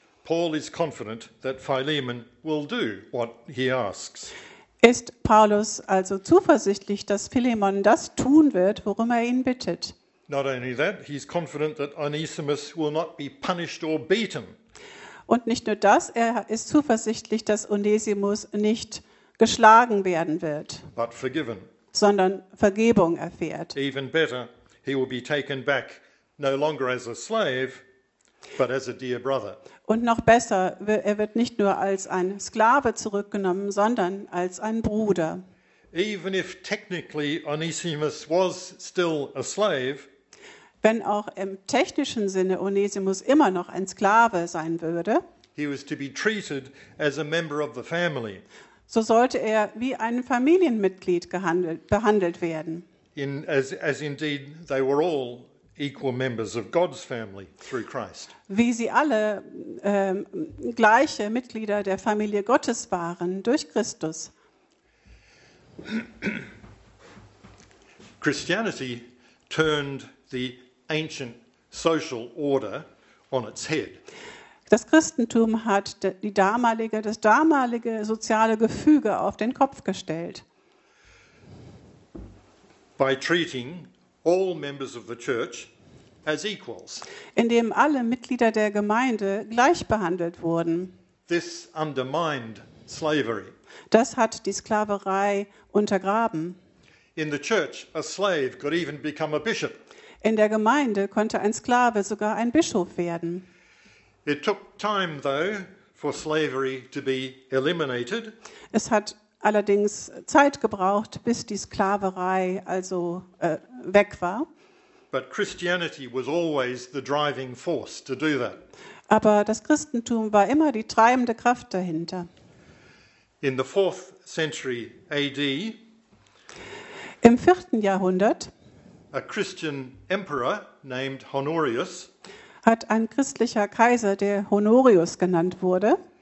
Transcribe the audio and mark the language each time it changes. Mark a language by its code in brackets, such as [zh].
[en] Paul is confident that Philemon will do what he asks. [de] Ist Paulus also zuversichtlich, dass Philemon das tun wird, worum er ihn bittet. [en] Not only that, he's confident that Onesimus will not be punished or beaten. [de] Und nicht nur das, er ist zuversichtlich, dass Onesimus nicht geschlagen werden wird, [en] but forgiven, [de] sondern Vergebung erfährt. [en] Even better, he will be taken back no longer as a slave, but as a dear brother. [de] Und noch besser, er wird nicht nur als ein Sklave zurückgenommen, sondern als ein Bruder. [en] Even if technically Onesimus was still a slave, [de] wenn auch im technischen Sinne Onesimus immer noch ein Sklave sein würde, [en] he was to be treated as a member of the family. [de] So sollte er wie ein Familienmitglied behandelt werden. [en] As indeed they were all equal members of God's family through Christ. [de] Wie sie alle gleiche Mitglieder der Familie Gottes waren durch Christus. [en] Christianity turned the ancient social order on its head. [de] Das Christentum hat das damalige soziale Gefüge auf den Kopf gestellt. [en] By treating all members of the church as equals. [de] Indem alle Mitglieder der Gemeinde gleich behandelt wurden. [en] This undermined slavery. [de] Das hat die Sklaverei untergraben. [en] In the church, a slave could even become a bishop. [de] In der Gemeinde konnte ein Sklave sogar ein Bischof werden. [en] It took time, though, for slavery to be eliminated. [de] Es hat allerdings Zeit gebraucht, bis die Sklaverei also weg war. [en] But Christianity was always the driving force to do that. [de] Aber das Christentum war immer die treibende Kraft dahinter. [en] In the 4th century AD, [de] im 4. Jahrhundert, [en] a Christian emperor named Honorius [de] hat ein christlicher Kaiser, der Honorius genannt wurde,